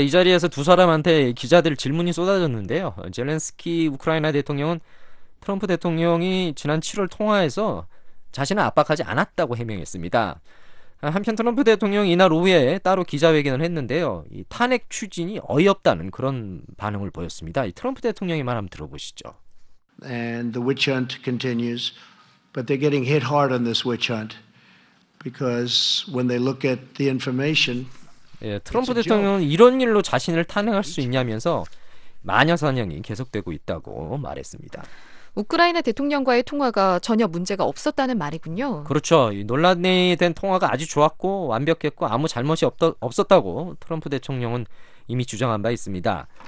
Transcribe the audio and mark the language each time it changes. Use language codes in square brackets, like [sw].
[ko] 이 자리에서 두 사람한테 기자들 질문이 쏟아졌는데요. 젤렌스키 우크라이나 대통령은 트럼프 대통령이 지난 7월 통화에서 자신을 압박하지 않았다고 해명했습니다. 한편 트럼프 대통령이 이날 오후에 따로 기자회견을 했는데요. 이 탄핵 추진이 어이없다는 그런 반응을 보였습니다. 이 트럼프 대통령의 말 한번 들어보시죠. [en] And the witch hunt continues, but they're getting hit hard on this witch hunt because when they look at the information, [ko] 예, 트럼프 [en] it's a joke. [ko] 대통령은 이런 일로 자신을 탄핵할 수 있냐면서 마녀사냥이 계속되고 있다고 말했습니다. 우크라이나 대통령과의 통화가 전혀 문제가 없었다는 말이군요. 그렇죠. 논란이 된 통화가 아주 좋았고 완벽했고 아무 잘못이 없었다고 트럼프 대통령은 이미 주장한 바 있습니다.